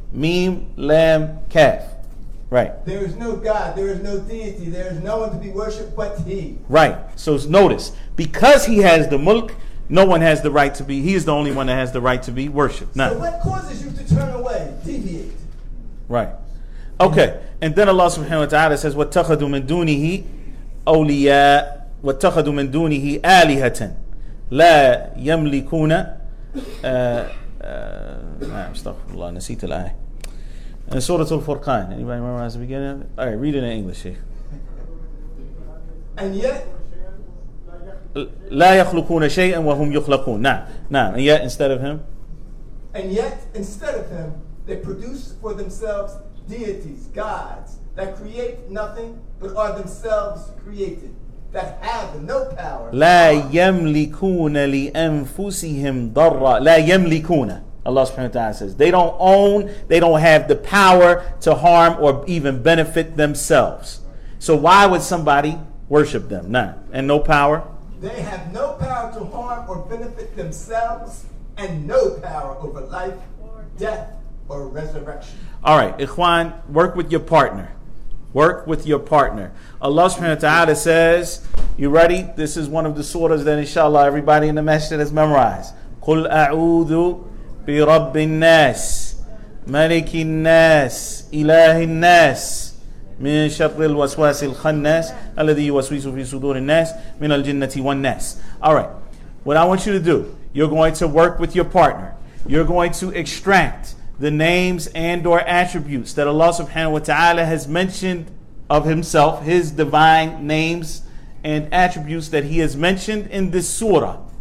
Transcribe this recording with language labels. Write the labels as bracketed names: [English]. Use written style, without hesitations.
[English] Meem, Lam, Kaf. Right. There is no God, there is no deity, there is no one to be worshipped but he. Right. So notice, because he has the Mulk, no one has the right to be. He is the only one that has the right to be worshipped. So what causes you to turn away, deviate? Right. Okay. And then Allah subhanahu wa ta'ala says, [Arabic] وَاتَّخَذُوا مِن دُونِهِ أَوْلِيَا وَاتَّخَذُوا مِن دُونِهِ آلِهَةً لَا يَمْلِكُونَ astaghfirullah, نسيت الآية. [English] And Surah Al-Furqan. Anybody remember the beginning? All right, read it in English, Sheikh. And yet, [Arabic] لا يخلقون شيئا وهم يخلقون. نعم. [English] And yet instead of him. And yet instead of him, they produce for themselves deities, gods that create nothing but are themselves created. that have no power. [Arabic] لا يملكون لأنفسهم ضرا. لا يملكون. [English] Allah subhanahu wa ta'ala says, they don't own, they don't have the power to harm or even benefit themselves. So why would somebody worship them? Nah. And no power? They have no power to harm or benefit themselves and no power over life, death, or resurrection. All right. Ikhwan, work with your partner. Work with your partner. Allah subhanahu wa ta'ala says, you ready? This is one of the surahs that inshallah everybody in the masjid has memorized. [Arabic] قُلْ أَعُوذُ برب الناس ملك الناس إله الناس من شر الوسواس الخناس الذي يوسوس في صدور الناس من الجنة والناس. [English] All right, what I want you to do, you're going to work with your partner. You're going to extract the names and or attributes that Allah subhanahu wa ta'ala has mentioned of himself, his divine names and attributes that he has mentioned in this surah.